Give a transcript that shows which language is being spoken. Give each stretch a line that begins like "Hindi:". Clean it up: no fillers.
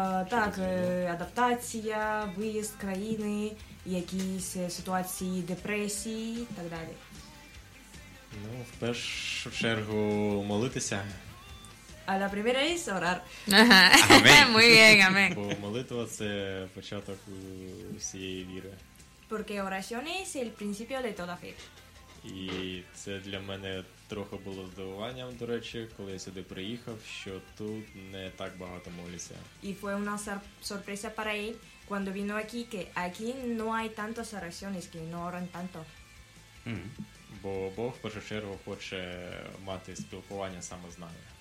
Ukrainian: Так, адаптація, виїзд з країни, якісь ситуації депресії і так далі. Ну, в першу чергу молитися.
Spanish: А la primera es orar. Amén. Muy bien, amén.
Ukrainian: Бо молитва – це початок всієї віри.
Spanish: Porque oración es el principio de toda fe.
Ukrainian: І це для мене трохи було здивуванням, до речі, коли я сюди приїхав, що тут не так багато моляться.
Spanish: Y fue una sorpresa para él cuando vino aquí, que aquí no hay tantas oraciones, que no oran tanto.
Ukrainian: Бо Бог, в першу чергу, хоче мати спілкування саме з нами.